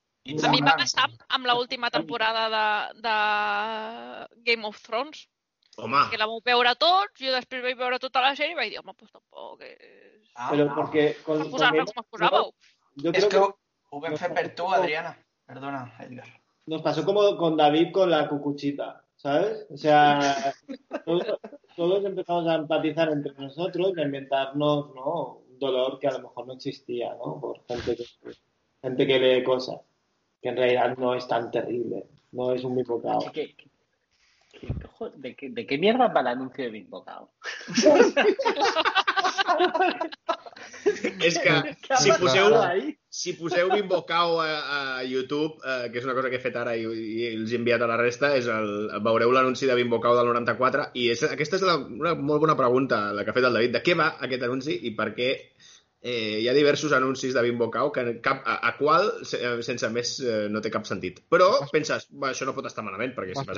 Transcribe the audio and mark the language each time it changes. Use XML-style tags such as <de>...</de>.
<ca>A mi va passar amb l'última temporada de Game of Thrones. Home. Que la vau veure tots, jo després vaig veure tota la sèrie i vaig dir, home, pues tampoc... Però perquè... Com es posàveu? És que ho vam fer per tu, Adriana. Perdona, Edgar.</ca> <es>Nos pasó como con David con la cucuchita. ¿Sabes? O sea, todos empezamos a empatizar entre nosotros y a inventarnos, ¿no?, un dolor que a lo mejor no existía, ¿no?, por gente que lee cosas, que en realidad no es tan terrible, no es un bimbocao. ¿De qué mierda va el anuncio de Bitbocao?</es> <ca>És que si poseu, si poseu Bitbocao a YouTube, que és una cosa que he fet ara i els he enviat a la resta, és el, veureu l'anunci de Bitbocao del 94 i és, aquesta és la, una molt bona pregunta la que ha fet el David, de què va aquest anunci i per què hi ha diversos anuncis de Bitbocao que cap, a qual sense més no té cap sentit, però penses, va, això no pot estar malament perquè si</ca>